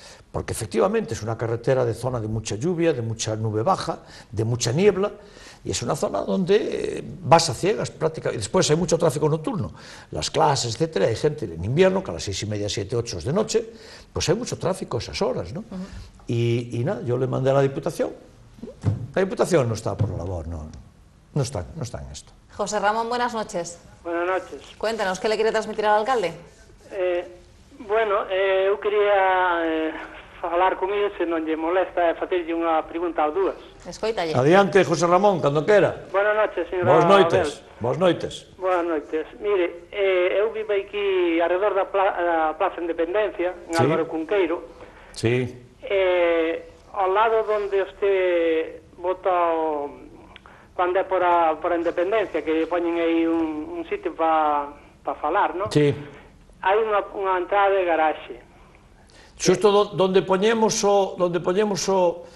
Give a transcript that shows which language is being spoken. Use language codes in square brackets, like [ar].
[es] Porque efectivamente es una carretera de zona de mucha lluvia, de mucha nube baja, de mucha niebla, y es una zona donde vas a ciegas prácticamente, y después hay mucho tráfico nocturno, las clases, etcétera, hay gente en invierno, que a las 6:30, 7, 8 de noche, pues hay mucho tráfico esas horas, ¿no? Uh-huh. Y nada, yo le mandé a la Diputación, la Diputación no está por la labor, no está en esto. José Ramón, buenas noches. Buenas noches. Cuéntanos, ¿qué le quiere transmitir al alcalde? [gl] Bueno, eu quería falar con ele, se non lle molesta, facerlle unha pregunta ou dúas. Escoitalle. Adiante, José Ramón, cando quera. Boas noites, señora. Boas noites. Boas noites. Boas noites. Mire, eu vivo aquí arredor da Plaza Independencia, en sí. Álvaro Cunqueiro. Sí. Ao lado onde este bota o... Cando é por a Independencia, que poñen aí un sitio para... para falar, ¿no? Sí. [es] Hay una entrada de garaje. Justo donde ponemos o donde ponemos o